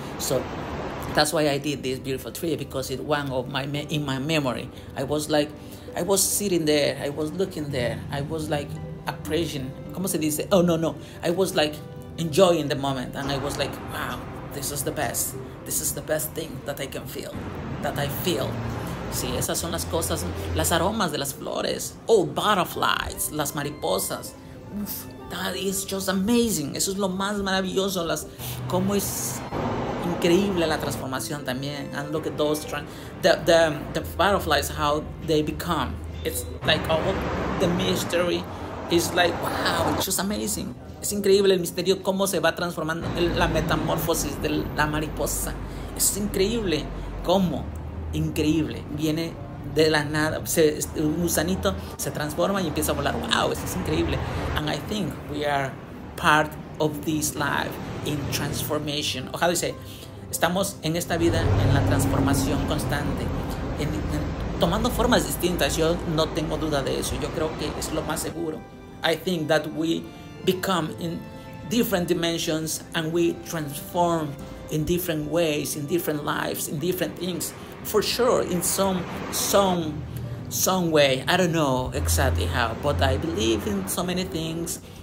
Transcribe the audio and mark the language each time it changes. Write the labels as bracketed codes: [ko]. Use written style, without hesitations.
[en] So that's why I did this beautiful tree, because it was one of my in my memory. I was sitting there, I was looking there, I was like appreciating. [es] ¿Cómo se dice? [en] Oh no, I was like enjoying the moment, and I was like, wow, this is the best. This is the best thing that I can feel, that I feel. [es] Sí, esas son las cosas, las aromas de las flores. [en] Oh, butterflies, [es] las mariposas. [en] Uf, that is just amazing. [es] Eso es lo más maravilloso. Cómo es increíble la transformación también. [en] And look at those, the butterflies, how they become. It's like all the mystery. It's like, wow, it's just amazing. [es] Es increíble el misterio, cómo se va transformando, la metamorfosis de la mariposa. Es increíble cómo. Increíble, viene de la nada, un gusanito se transforma y empieza a volar. Wow, eso es increíble. [en] And I think we are part of this life in transformation. [es] O sea, dice, estamos en esta vida en la transformación constante, en tomando formas distintas. Yo no tengo duda de eso. Yo creo que es lo más seguro. [en] I think that we become in different dimensions and we transform in different ways, in different lives, in different things. For sure, in some way, I don't know exactly how, but I believe in so many things.